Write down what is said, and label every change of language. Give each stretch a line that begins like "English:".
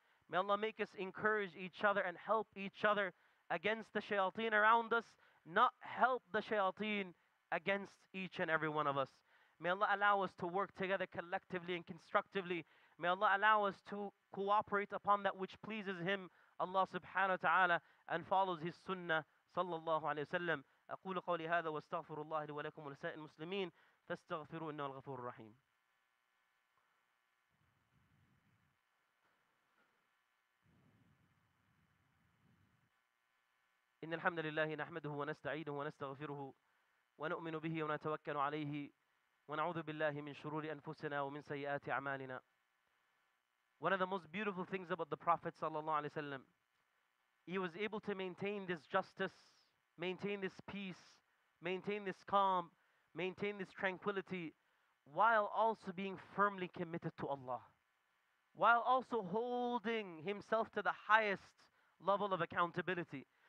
English: May Allah make us encourage each other and help each other against the shayateen around us, not help the shayateen against each and every one of us. May Allah allow us to work together collectively and constructively. May Allah allow us to cooperate upon that which pleases Him, Allah subhanahu wa ta'ala, and follows His sunnah, sallallahu alayhi wa sallam.
Arabic: أقول قولي هذا واستغفر الله لي ولكم ولسائر المسلمين فاستغفروا إنه الغفور الرحيم. إن الحمد لله نحمده ونستعينه ونستغفره ونؤمن به ونتوكل عليه ونعوذ بالله من شرور أنفسنا ومن سيئات أعمالنا.
English: One of the most beautiful things about the Prophet sallallahu alaihi wasallam, he was able to maintain this justice, maintain this peace, maintain this calm, maintain this tranquility, while also being firmly committed to Allah, while also holding himself to the highest level of accountability.